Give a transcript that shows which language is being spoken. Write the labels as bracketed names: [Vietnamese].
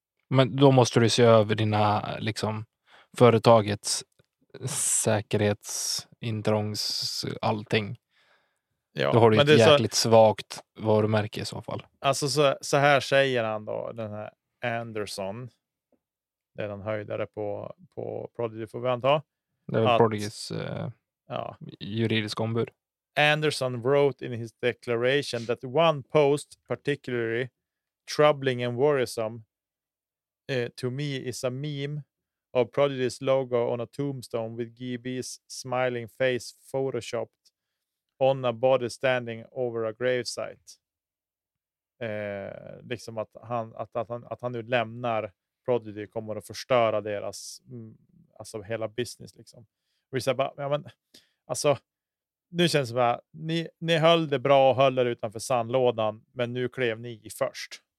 [Swedish] Men då måste du se över dina liksom företagets säkerhetsintrångs allting. Ja, då har du ett jäkligt svagt varumärke i så fall. Alltså så här säger han då, den här Anderson. Det är den höjdare på Prodigy, får vi anta. Det är Prodigys juridisk ombud. [English] Anderson wrote in his declaration that one post particularly troubling and worrisome to me is a meme of Prodigy's logo on a tombstone with GB's smiling face photoshopped on a body standing over a gravesite. [Swedish] Liksom att han nu lämnar Prodigy kommer att förstöra deras alltså hela business liksom. Och vi säger bara, ja men alltså nu känns det som att ni höll det bra och höll det utanför sandlådan, men nu klev ni först.